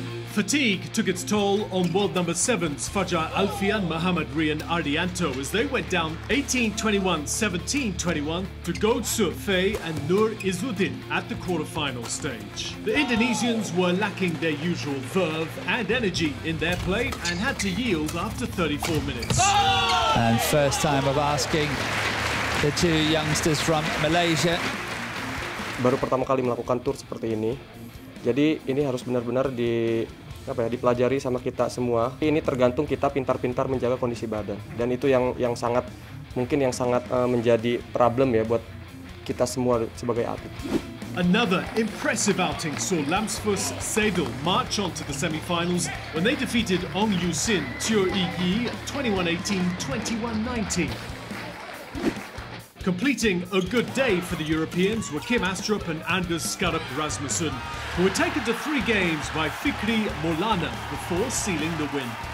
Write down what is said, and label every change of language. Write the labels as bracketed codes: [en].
[en] Fatigue took its toll on world number 7's Fajar Alfian Muhammad Rian Ardianto as they went down 18-21, 17-21 to Go Tsur Fei and Nur Izzuddin at the quarterfinal stage. The Indonesians were lacking their usual verve and energy in their play and had to yield after 34 minutes. And first time of asking the two youngsters from Malaysia. [id] Baru pertama kali melakukan tour seperti ini. Jadi ini harus benar-benar dipelajari sama kita semua. Ini tergantung kita pintar-pintar menjaga kondisi badan. Dan itu yang sangat menjadi problem ya buat kita semua sebagai atlet. [en] Another impressive outing saw Lamsfuss Seidel march on to the semifinals when they defeated Ong Yu Sin, Tio Yi Yi 21-18, 21-19. Completing a good day for the Europeans were Kim Astrup and Anders Skarup Rasmussen, who were taken to three games by Fikri Molana before sealing the win.